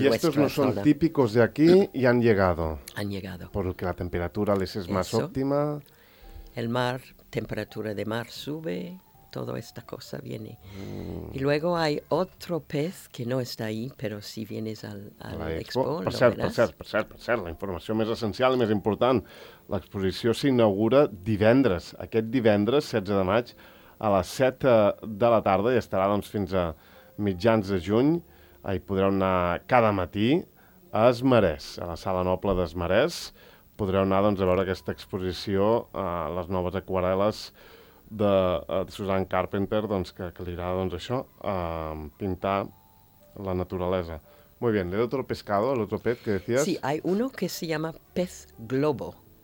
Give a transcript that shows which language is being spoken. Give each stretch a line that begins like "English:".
Spanish: Y estos no son típicos de aquí y han llegado. Han llegado. Porque la temperatura les es más óptima. El mar, temperatura de mar sube, toda esta cosa viene. Y luego hay otro pez que no está ahí, pero si vienes al expo,
Catalan: Per cert, la informació més essencial i més important. L'exposició s'inaugura divendres, aquest divendres, 16 de maig, a les 7 de la tarda, i estarà doncs, fins a mitjans de juny. Hi podreu anar cada matí a Es Marès, a la Sala Noble d'Es Marès. Podreu anar doncs, a veure aquesta exposició, a les noves aquarel·les de Susan Carpenter, doncs, que li agrada doncs, això, pintar la naturalesa.
Spanish: Muy bien, ¿el otro pescado, el otro pez que decías? Sí, hay uno que se llama pez globo.